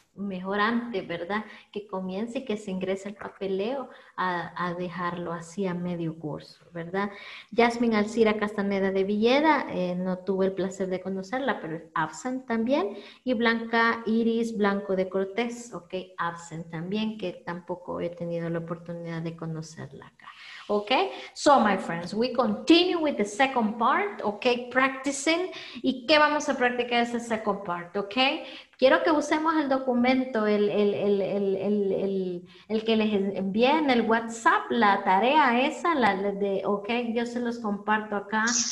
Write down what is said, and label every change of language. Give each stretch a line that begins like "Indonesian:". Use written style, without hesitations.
Spanish: mejor antes, ¿verdad? Que comience y que se ingrese el papeleo a dejarlo así a medio curso, ¿verdad? Yasmin Alcira Castaneda de Villeda, no tuve el placer de conocerla, pero es absent también. Y Blanca Iris Blanco de Cortés, ok, absent también, que tampoco he tenido la oportunidad de conocerla acá.
English: Ok, so my friends, we continue with the second part, ok, practicing.
Spanish: ¿Y qué vamos a practicar ese second part, ok? Quiero que usemos el documento, el que les envié en el WhatsApp, la tarea esa, la de, ok, yo se los comparto acá.